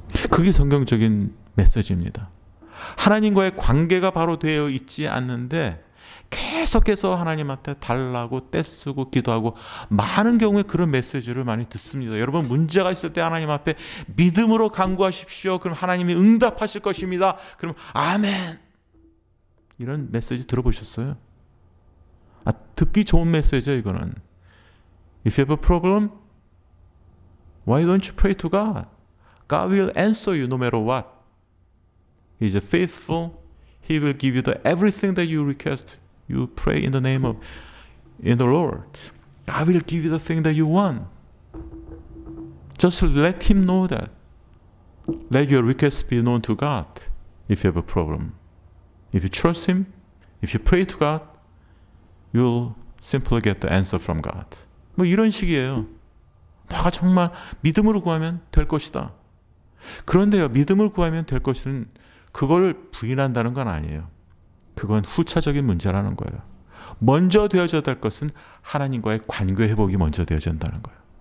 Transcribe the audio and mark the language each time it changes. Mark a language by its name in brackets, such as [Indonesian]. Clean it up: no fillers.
[Korean] 그게 성경적인 메시지입니다. 하나님과의 관계가 바로 되어 있지 않는데 계속해서 하나님한테 달라고 떼쓰고 기도하고, 많은 경우에 그런 메시지를 많이 듣습니다. 여러분, 문제가 있을 때 하나님 앞에 믿음으로 간구하십시오. 그럼 하나님이 응답하실 것입니다. 그럼 아멘. 이런 메시지 들어보셨어요? 아, 듣기 좋은 메시지예요, 이거는. [English] If you have a problem, why don't you pray to God? God will answer you no matter what. He's faithful. He will give you the everything that you request. You pray in the name of in the Lord. God will give you the thing that you want. Just let him know that. Let your request be known to God if you have a problem. If you trust him, if you pray to God, you'll simply get the answer from God. [Korean] 뭐 이런 식이에요. 내가 정말 믿음으로 구하면 될 것이다. 그런데요, 믿음을 구하면 될 것은 그걸 부인한다는 건 아니에요. 그건 후차적인 문제라는 거예요. 먼저 되어져야 될 것은 하나님과의 관계 회복이 먼저 되어져야 한다는 거예요.